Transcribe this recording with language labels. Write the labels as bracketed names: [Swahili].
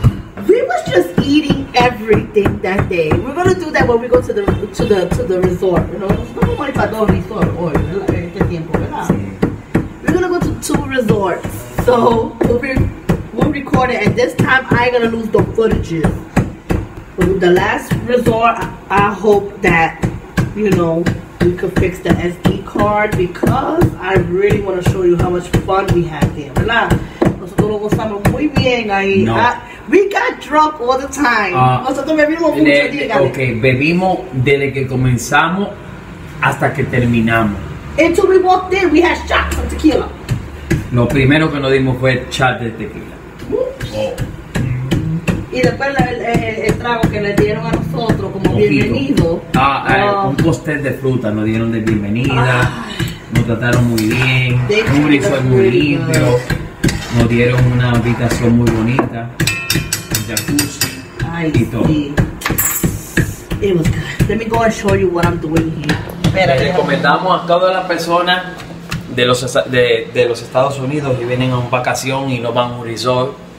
[English] Ooh, we was just eating everything that day. We're gonna do that when we go to the resort, you know. [Spanish] Vamos para dos resorts hoy, este tiempo, ¿verdad? [English] We're gonna go to two resorts. So we'll record it, and this time I'm gonna lose the footages. But the last resort, I hope that, you know, we could fix the SD card because I really want to show you how much fun we had there. [Spanish] ¿Verdad? Nosotros lo gozamos muy bien ahí. No. [English] We got drunk all the time. [Spanish] Nosotros bebimos mucho. Okay, bebimos desde que comenzamos hasta que terminamos. [English] Until we walked in, we had shots of tequila. [Spanish] Lo primero que nos dimos fue shots de tequila. Y después el trago que le dieron a nosotros como bienvenido. Un pastel de fruta nos dieron de bienvenida. Nos trataron muy bien. Muri fue muy limpio. Nos dieron una habitación muy bonita. Un jacuzzi. Ay, y todo. Sí. [English] It was good. Let me go and show you what I'm doing here. [Spanish] Le recomendamos a todas las personas de los Estados Unidos y vienen a un vacación y no van a un resort.